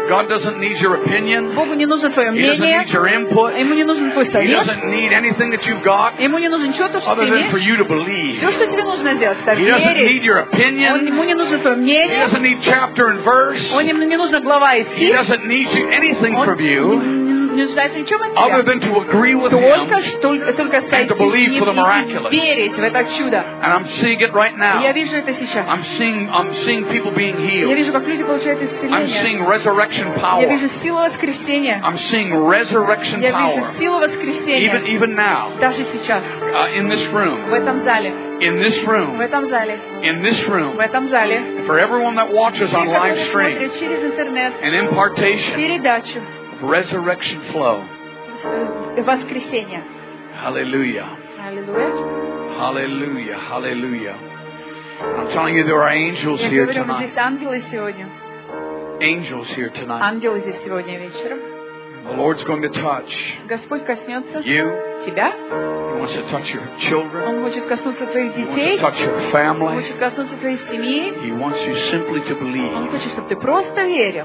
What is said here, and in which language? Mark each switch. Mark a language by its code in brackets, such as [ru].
[en] God doesn't need your opinion. [ru] Богу не нужно твое мнение. [en] He doesn't need your input. [ru] Ему не нужен твой совет. [en] He doesn't need anything that you've got. [ru] Ему не нужен чего-то, что ты имеешь. [en] Other than for you to believe. [ru] Все, что тебе нужно сделать, это верить. [en] He doesn't need your opinion. [ru] Ему не нужно твое мнение. [en] He doesn't need chapter and verse. [ru] Ему не нужна глава и стих. [en] He doesn't need you anything from you. Other than to agree with him and to believe for the miraculous. And I'm seeing it right now. I'm seeing people being healed. I'm seeing resurrection power. I'm seeing resurrection power. Even now. In this room. In this room. In this room. For everyone that watches on live stream. An impartation. Resurrection flow. [ru] Воскресение. [en] Hallelujah. Hallelujah. Hallelujah. Hallelujah. I'm telling you, there are angels here tonight. Angels here tonight. [ru] Ангелы здесь сегодня вечером. [en] The Lord's going to touch [ru] Господь коснется [en] you. [ru] Тебя. [en] He wants to touch your children. [ru] Он хочет коснуться твоих детей. [en] He wants to touch your family. [ru] Он хочет коснуться твоей семьи. [en] He wants you simply to believe. [ru] Он хочет, чтобы ты просто верил.